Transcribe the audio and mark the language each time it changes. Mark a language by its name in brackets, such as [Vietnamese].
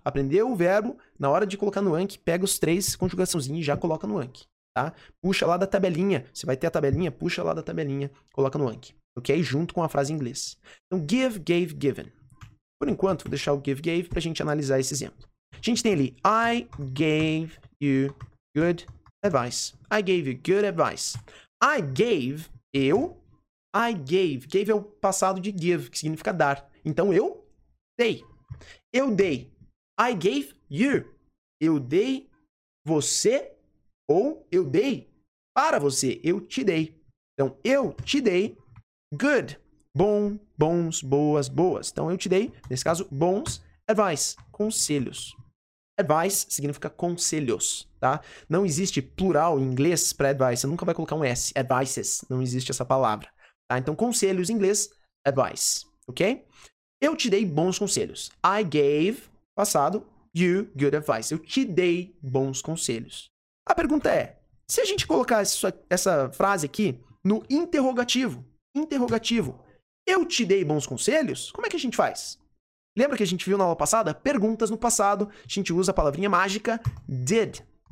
[Portuguese] Aprendeu o verbo, na hora de colocar no Anki, pega os três conjugaçãozinhos e já coloca no Anki, tá? Puxa lá da tabelinha, você vai ter a tabelinha, puxa lá da tabelinha, coloca no Anki, ok? Junto com a frase em inglês. Então, give, gave, given. Por enquanto, vou deixar o give, gave pra gente analisar esse exemplo. A gente tem ali, [English] I gave you good advice. I gave you good advice. I gave, eu... I gave. [Portuguese] Gave é o passado de give, que significa dar. Então, eu dei. Eu dei. [English] I gave you. [Portuguese] Eu dei você ou eu dei para você. Eu te dei. Então, eu te dei good. Bom, bons, boas, boas. Então, eu te dei, nesse caso, bons advice. Conselhos. Advice significa conselhos, tá? Não existe plural em inglês para advice. Você nunca vai colocar um S. Advices. Não existe essa palavra. Tá, então, conselhos em inglês, advice, ok? Eu te dei bons conselhos. [English] I gave, passado, you good advice. [Portuguese] Eu te dei bons conselhos. A pergunta é, se a gente colocar essa frase aqui no interrogativo, eu te dei bons conselhos, como é que a gente faz? Lembra que a gente viu na aula passada? Perguntas no passado, a gente usa a palavrinha mágica, did.